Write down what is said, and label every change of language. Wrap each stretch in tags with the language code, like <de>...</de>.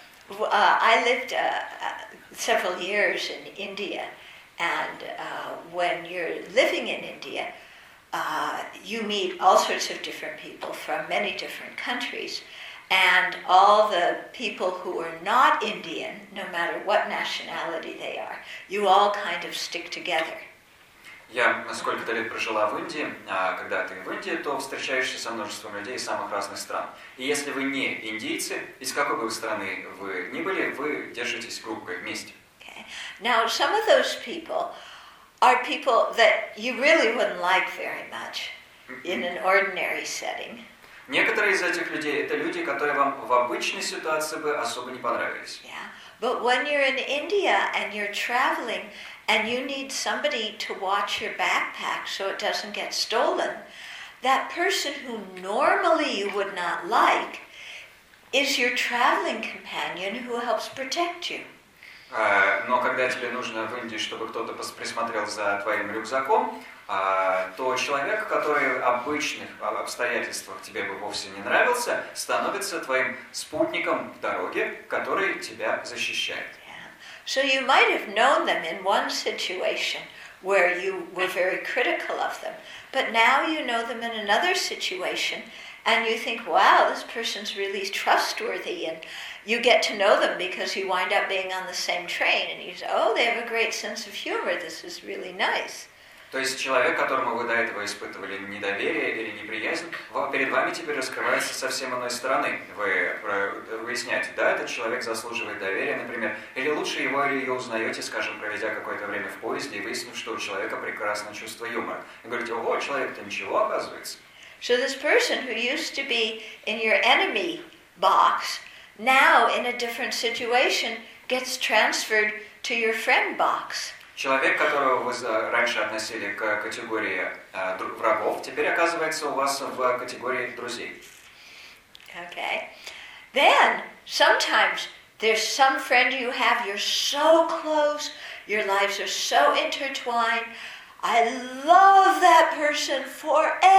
<en>I lived several years in India, and when you're living in India, you meet all sorts of different people from many different countries, and all the people who are not Indian, no matter what nationality they are, you all kind of stick together.</en> <ru>Я сколько-то лет прожила в Индии, а когда ты в Индии, то встречаешься со множеством людей из самых разных стран. И если вы не индийцы, из какой бы вы страны вы ни были, вы держитесь группой вместе.</ru> <en>Okay. Now, some of those people are people that you really wouldn't like very much in an ordinary setting.</en> <ru>Некоторые из этих людей это люди, которые вам в обычной ситуации бы особо не понравились.</ru> <en>Yeah. But when you're in India and you're traveling and you need somebody to watch your backpack so it doesn't get stolen, that person who normally you would not like is your traveling companion who helps protect you.</en> <ru>Но когда тебе нужно в Индии, чтобы кто-то присмотрел за твоим рюкзаком, то человек, который в обычных обстоятельствах тебе бы вовсе не нравился, становится твоим спутником в дороге, который тебя защищает.</ru> <en>Yeah. So you might have known them in one situation where you were very critical of them, but now you know them in another situation and you think, wow, this person's really trustworthy, and you get to know them because you wind up being on the same train and you say, oh, they have a great sense of humor, this is really nice.</en> <ru>То есть человек, которому вы до этого испытывали недоверие или неприязнь, перед вами теперь раскрывается совсем иной стороны. Вы выясняете, да, этот человек заслуживает доверия, например, или лучше его или ее узнаете, скажем, проведя какое-то время в поезде и выяснив, что у человека прекрасное чувство юмора. И говорите, ого, человек-то ничего, оказывается.</ru> <en>So this person who used to be in your enemy box, now in a different situation, gets transferred to your friend box.</en> <ru>Человек, которого вы раньше относили к категории врагов, теперь оказывается у вас в категории друзей.</ru> <en>Okay. Then, sometimes, there's some friend you have, you're so close, your lives are so intertwined, I love that person forever.</en>